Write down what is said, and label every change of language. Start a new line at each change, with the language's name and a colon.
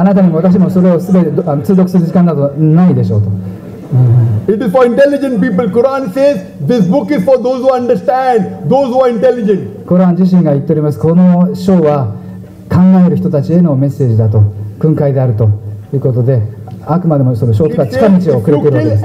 Japanese: あなたにも私もそれをすべて通読する時間などないでしょうと。
English: It is for intelligent people. Quran says this book is for those who understand, those who are intelligent.
Japanese: コラン自身が言っております。この章は考える人たちへのメッセージだと、訓戒であるということで。あくまでもその正体は近道を送るということです。